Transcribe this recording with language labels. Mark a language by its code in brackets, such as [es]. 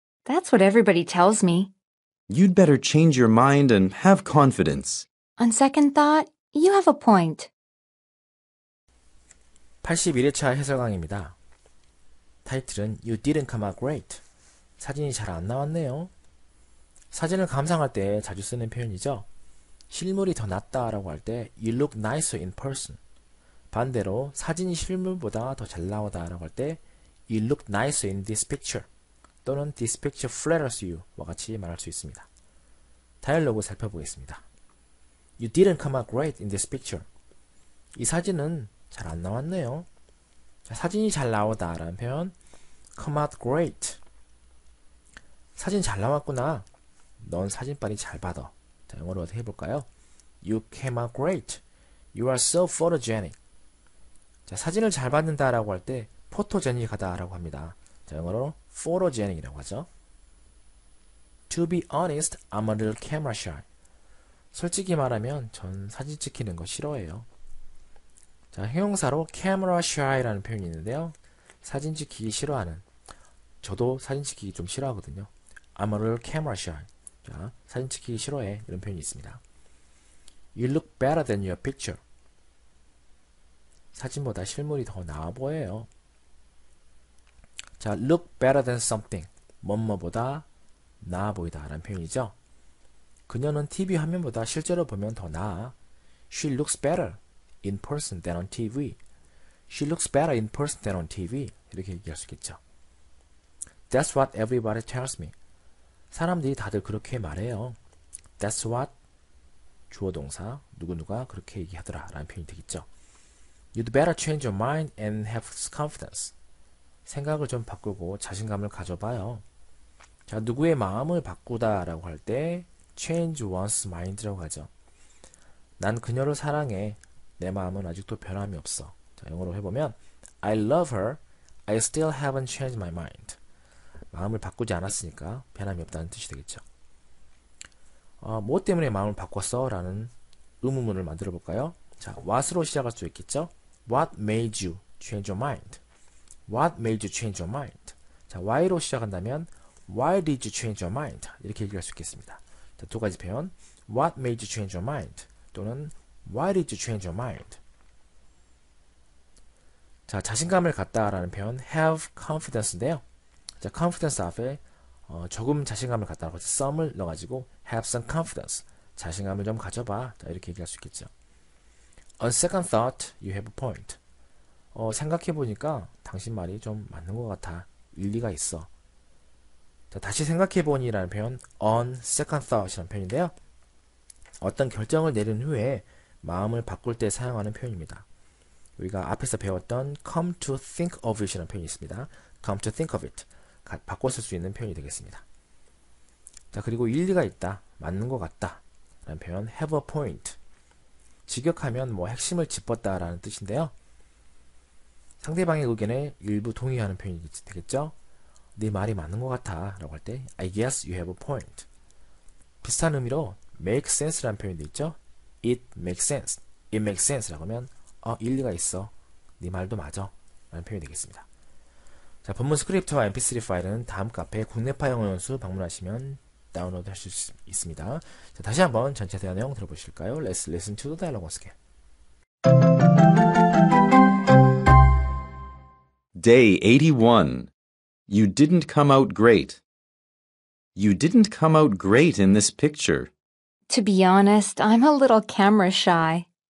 [en] That's what everybody tells me. You'd better change your mind and have confidence. On second thought, you have a point. [ko] 81회차 해설강의입니다. [en] 타이틀은 You didn't come out great. [ko] 사진이 잘 안 나왔네요. 사진을 감상할 때 자주 쓰는 표현이죠. 실물이 더 낫다라고 할 때 [en] You look nicer in person. [ko] 반대로 사진이 실물보다 더 잘 나오다라고 할 때 [en] You look nicer in this picture. [ko] 또는 [en] This picture flatters you [ko] 와 같이 말할 수 있습니다. 다이얼로그 살펴보겠습니다. [en] You didn't come out great in this picture. [ko] 이 사진은 잘 안 나왔네요. 자, 사진이 잘 나오다라는 표현 [en] Come out great. [ko] 사진 잘 나왔구나. 넌 사진빨이 잘 받아. 자, 영어로 어떻게 해볼까요? [en] You came out great. You are so photogenic. [ko] 자, 사진을 잘 받는다라고 할 때 포토제닉하다라고 합니다. 자, 영어로 photogenic이라고 하죠. [en] To be honest, I'm a little camera shy. [ko] 솔직히 말하면 전 사진 찍히는 거 싫어해요. 자, 형용사로 [en] camera shy [ko] 라는 표현이 있는데요. 사진 찍히기 싫어하는. 저도 사진 찍히기 좀 싫어하거든요. [en] I'm a little camera shy. [ko] 자, 사진 찍히기 싫어해. 이런 표현이 있습니다. [en] You look better than your picture. [ko] 사진보다 실물이 더 나아 보여요. [en] 자, look better than something. [ko] 뭐뭐보다 나아 보이다 라는 표현이죠. 그녀는 TV 화면보다 실제로 보면 더 나아. [en] She looks better in person than on TV. She looks better in person than on TV. [ko] 이렇게 얘기할 수 있겠죠. [en] That's what everybody tells me. [ko] 사람들이 다들 그렇게 말해요. [en] That's what [ko] 주어동사 누구누가 그렇게 얘기하더라 라는 표현이 되겠죠. [en] You'd better change your mind and have confidence. [ko] 생각을 좀 바꾸고 자신감을 가져봐요. 자, 누구의 마음을 바꾸다 라고 할 때 [en] change one's mind [ko] 라고 하죠. 난 그녀를 사랑해. 내 마음은 아직도 변함이 없어. 자, 영어로 해보면 [en] I love her. I still haven't changed my mind. [ko] 마음을 바꾸지 않았으니까 변함이 없다는 뜻이 되겠죠. 뭐 때문에 마음을 바꿨어? 라는 의문문을 만들어 볼까요? 자, what으로 시작할 수 있겠죠? [en] What made you change your mind? What made you change your mind? [ko] 자, why로 시작한다면 [en] Why did you change your mind? [ko] 이렇게 얘기할 수 있겠습니다. 자, 두 가지 표현 [en] What made you change your mind? [ko] 또는 [en] Why did you change your mind? [ko] 자, 자신감을 갖다 라는 표현 [en] Have confidence [ko] 인데요. 자, confidence 앞에 조금 자신감을 갖다라고 해서 some을 넣어가지고 [en] have some confidence, [ko] 자신감을 좀 가져봐. 자, 이렇게 얘기할 수 있겠죠. [en] On second thought, you have a point. [ko] 생각해보니까 당신 말이 좀 맞는 것 같아. 일리가 있어. 자, 다시 생각해보니 라는 표현 [en] on second thought [ko] 이라는 표현인데요. 어떤 결정을 내린 후에 마음을 바꿀 때 사용하는 표현입니다. 우리가 앞에서 배웠던 [en] come to think of it [ko] 이라는 표현이 있습니다. [en] Come to think of it. [ko] 바꿨을 수 있는 표현이 되겠습니다. 자, 그리고 일리가 있다, 맞는 것 같다 라는 표현 [en] have a point. [ko] 직역하면 뭐 핵심을 짚었다 라는 뜻인데요. 상대방의 의견에 일부 동의하는 표현이 되겠죠. 네 말이 맞는 것 같아 라고 할 때 [en] I guess you have a point. [ko] 비슷한 의미로 [en] make sense [ko] 라는 표현도 있죠. [en] It makes sense. It makes sense [ko] 라고 하면 일리가 있어, 네 말도 맞아 라는 표현이 되겠습니다. 자, 본문 스크립트와 MP3 파일은 다음 카페 국내파 영어 연수 방문하시면 다운로드 하실 수 있습니다. 자, 다시 한번 전체 대화 내용 들어보실까요? [en] Let's listen to the dialogue once again. Day 81. You didn't come out great. You didn't come out great in this picture. To be honest, I'm a little camera shy.